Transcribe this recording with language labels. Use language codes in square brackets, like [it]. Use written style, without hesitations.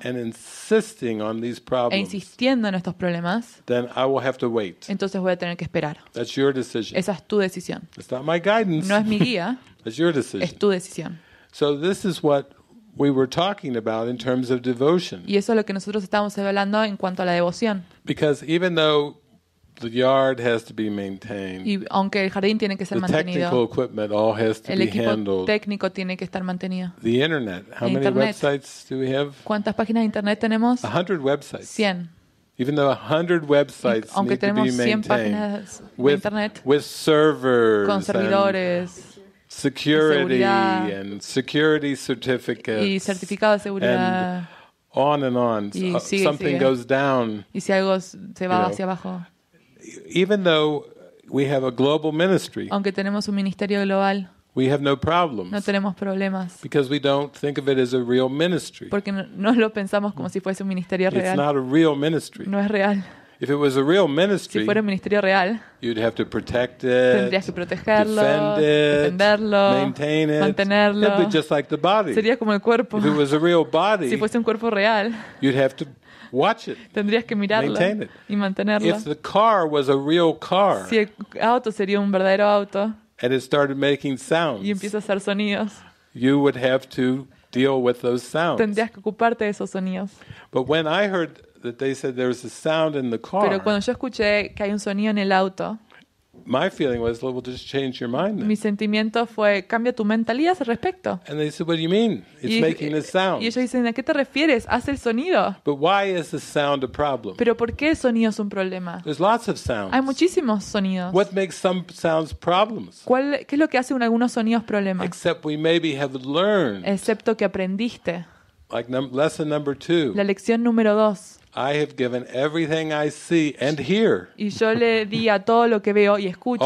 [en] and insisting on these problems, [es] e insistiendo en estos problemas, [en] then I will have to wait. [es] Entonces voy a tener que esperar. [en] That's your decision. [es] Esa es tu decisión. [en] It's not my guidance. [es] No es mi guía. [en] That's your decision. [es] Es tu decisión. [en] So this is what we were talking about in terms of devotion. [es] Y eso es lo que nosotros estábamos hablando en cuanto a la devoción. [en] Because even though the yard has to be maintained. [es] Y aunque el jardín tiene que ser mantenido. [en] The technical equipment all has to [es] el equipo [en] be handled. [es] Técnico tiene que estar mantenido. [en] The internet. How [es] internet. [en] Many websites do we have? [es] ¿Cuántas páginas de internet tenemos? [en] 100 websites. [es] 100. [en] Even though 100 websites [es] aunque [en] need [es] tenemos [en] to be maintained. [es] 100 páginas de internet. [en] With servers. [es] Con servidores. [en] And security and security certificates. [es] Y certificado de seguridad. [en] On and on. [es] Y sigue, [en] something [es] sigue. [en] Goes down. [es] Y si algo se va hacia abajo. [en] Even though we have a global ministry, [es] aunque tenemos un ministerio global, [en] We have no problems. [es] No tenemos problemas. [en] Because we don't think of it as a real ministry. [es] Porque no lo pensamos como si fuese un ministerio real. [en] It's not a real ministry. [es] No es real. [en] If it was a real ministry, [es] si fuera un ministerio real, [en] you'd have to protect it, [es] tendrías que protegerlo, [en] defend it, [es] defenderlo, [en] maintain it, [es] mantenerlo. [en] It'd be just like the body. [es] Sería como el cuerpo. [en] If it was a real body, [es] si fuese un cuerpo real, [en] you'd have to watch it, [es] tendrías que mirarlo, [en] maintain it, [es] y mantenerlo. [en] If the car was a real car, [es] si el auto sería un verdadero auto, [en] and it started making sounds, [es] y empieza a hacer sonidos, [en] you would have to deal with those sounds. [es] Tendrías que ocuparte de esos sonidos. [en] But when I heard that they said there was a sound in the car. [es] Pero cuando yo escuché que hay un sonido en el auto. [en] My feeling was, well, we'll just change your mind then. [es] Mi sentimiento fue, cambia tu mentalidad al respecto. [en] And they said, what do you mean? It's making a sound. [es] Y ellos dicen, ¿a qué te refieres? Hace el sonido. [en] But why is the sound a problem? [es] Pero ¿por qué el sonido es un problema? [en] There's lots of sounds. [es] Hay muchísimos sonidos. [en] What makes some sounds problems? [es] ¿Qué es lo que hace en algunos sonidos problemas? [en] Except we maybe have learned. [es] Excepto que aprendiste. [en] Like lesson number two. [es] La lección número dos. [en] I have given everything I see and hear. [es] Y yo le di a todo lo que veo y escucho.